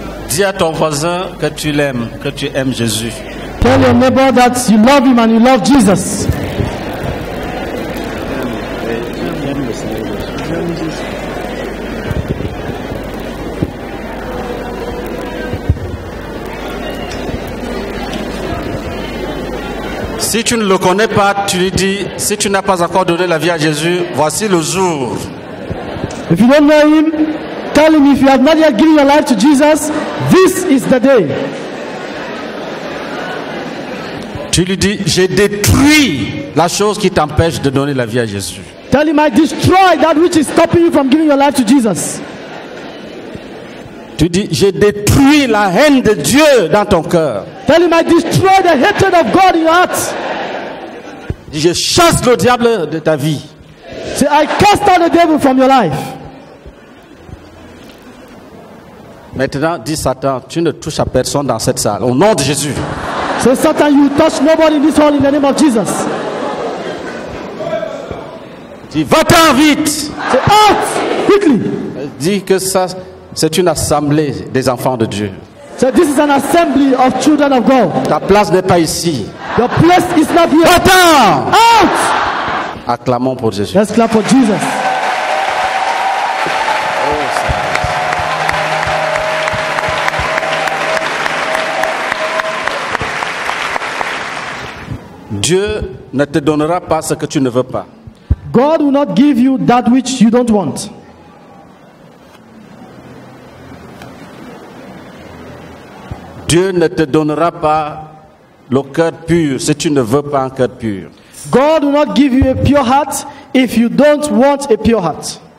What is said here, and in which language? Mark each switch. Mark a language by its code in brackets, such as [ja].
[fr] Dis à ton voisin que tu l'aimes, que tu aimes Jésus. [en] Tell your neighbor that you love him and you love Jesus. [fr] Si tu ne le connais pas, tu lui dis, si tu n'as pas encore donné la vie à Jésus, voici le jour. [en] If you don't know him, tell him if you have not yet given your life to Jesus, this is the day. [fr] Tu lui dis, j'ai détruit la chose qui t'empêche de donner la vie à Jésus. [en] Tell him I destroy that which is stopping you from giving your life to Jesus. [fr] Tu dis, je détruis la haine de Dieu dans ton cœur. [en] Tell him I destroy the hatred of God in your heart. [fr] Je chasse le diable de ta vie. [en] Say, I cast out the devil from your life. [fr] Maintenant, dis Satan, tu ne touches à personne dans cette salle. Au nom de Jésus. [en] Say, Satan, you touch nobody in this hall in the name of Jesus. [fr] Dis, va-t'en vite. [en] Say, out, quickly. [fr] Dis que ça, c'est une assemblée des enfants de Dieu. [en] Say, this is an assembly of children of God. [fr] Ta place n'est pas ici. [en] Your place is not here. [fr] Va-t'en. [en] Out. [fr] Acclamons pour Jésus. [en] Let's clap for Jesus. [fr] Dieu ne te donnera pas ce que tu ne veux pas. [en] God will not give you that which you don't want. [fr] Dieu ne te donnera pas le cœur pur si tu ne veux pas un cœur pur. [en] God will not give you a pure heart if you don't want a pure heart.